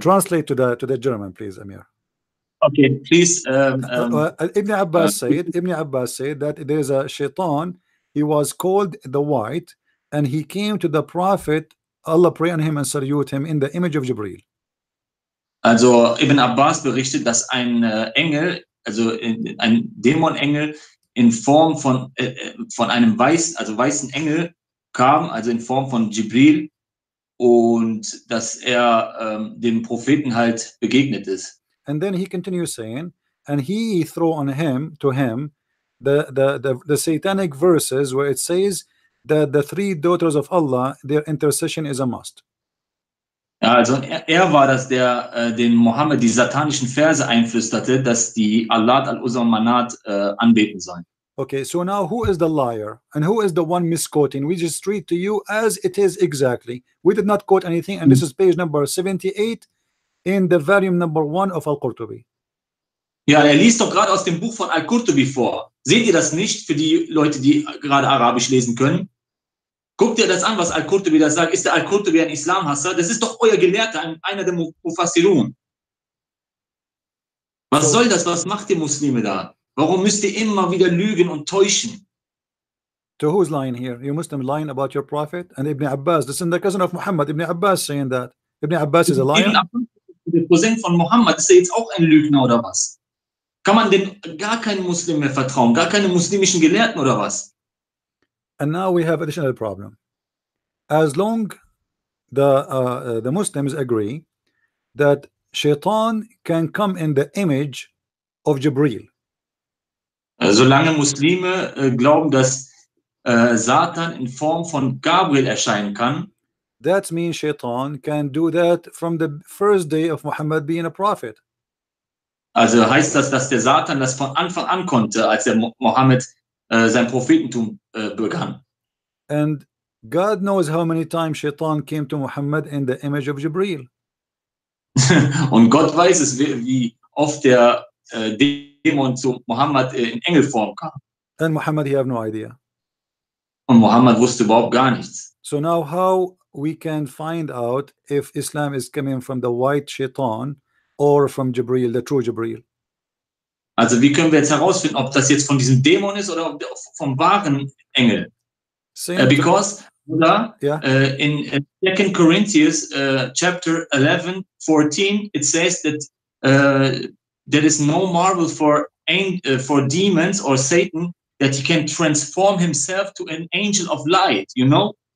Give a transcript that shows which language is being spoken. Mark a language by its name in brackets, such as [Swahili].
[English] Translate to the German, please, Amir. Okay, please. Ibn Abbas said that there is a shaitan, he was called the white, and he came to the prophet, Allah pray on him and salute him, in the image of Jibreel. [German] Also Ibn Abbas berichtet, dass ein Engel, also ein Dämonengel in Form von einem weißen, also weißen Engel kam, also in Form von Jibril, und dass er dem Propheten halt begegnet ist. [English] And then he continues saying, and he threw on him, to him, the satanic verses where it says that the three daughters of Allah, their intercession is a must. [German] Ja, also er war das, der den Mohammed die satanischen Verse einflüsterte, dass die Allat al-Uzza und Manat anbeten sollen. [English] Okay, so now who is the liar and who is the one misquoting? We just read to you as it is exactly. We did not quote anything, and this is page number 78 in the volume number 1 of Al-Qurtubi. [German] Ja, er liest doch gerade aus dem Buch von Al-Qurtubi vor. Seht ihr das nicht, für die Leute, die gerade Arabisch lesen können? Guckt ihr das an, was Al-Qurtubi da sagt? Ist der Al-Qurtubi ein Islamhasser? Das ist doch euer Gelehrter, einer der Mufassirun. Was soll das? Was macht ihr Muslime da? Warum müsst ihr immer wieder lügen und täuschen? [English] To who's lying here? You Muslim lying about your prophet? And Ibn Abbas, this is the cousin of Muhammad. Ibn Abbas saying that. Ibn Abbas is a liar. [German] Ibn Abbas, der Cousin von Muhammad, ist er jetzt auch ein Lügner oder was? Kann man denn gar keinen Muslim mehr vertrauen? Gar keine muslimischen Gelehrten oder was? [English] And now we have additional problem. As long the Muslims agree that Shaitan can come in the image of Jibreel. [German] Solange Muslime glauben, dass Satan in Form von Gabriel erscheinen kann, [English] that means Shaitan can do that from the first day of Muhammad being a prophet. [German] Also heißt das, dass der Satan das von Anfang an konnte, als der Muhammad sein Prophetentum begann. [English] And God knows how many times Shaitan came to Muhammad in the image of Jibreel. [German] Und Gott weiß es, wie oft der Dämon zu Muhammad in Engelform kam. [English] And Muhammad, he have no idea. [German] Und Muhammad wusste überhaupt gar nichts. [English] So now how we can find out if Islam is coming from the white Shaitan or from Jibreel, the true Jibreel? [German] Also wie können wir jetzt herausfinden, ob das jetzt von diesem Dämon ist oder vom wahren Engel? [English] In 2 Corinthians chapter 11, 14, it says that there is no marvel for demons or Satan that he can transform himself to an angel of light, you know?